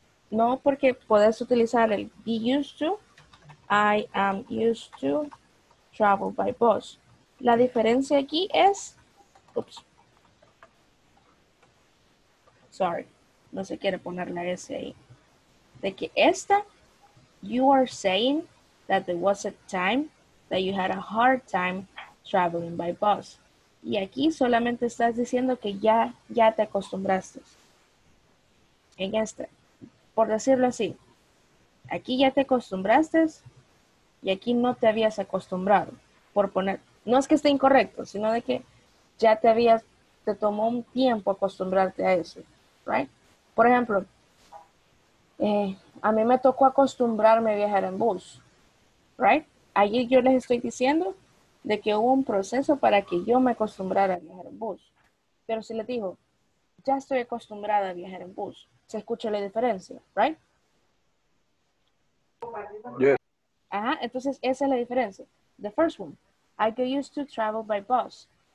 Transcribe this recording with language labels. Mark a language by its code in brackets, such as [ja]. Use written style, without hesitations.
[es] No, porque puedes utilizar el [en] be used to. I am used to travel by bus. [es] La diferencia aquí es... Oops. Sorry, no se quiere poner la S ahí. De que esta, [en] you are saying that there was a time that you had a hard time traveling by bus. [es] Y aquí solamente estás diciendo que ya te acostumbraste. En esta, por decirlo así, aquí ya te acostumbraste y aquí no te habías acostumbrado. Por poner, no es que esté incorrecto, sino de que ya te tomó un tiempo acostumbrarte a eso, right? Por ejemplo, a mí me tocó acostumbrarme a viajar en bus, right? Allí yo les estoy diciendo de que hubo un proceso para que yo me acostumbrara a viajar en bus. Pero si les digo, ya estoy acostumbrada a viajar en bus, ¿se escucha la diferencia, right? [en] Yes. [es] Ajá, entonces esa es la diferencia. [en] The first one, I get used to travel by bus.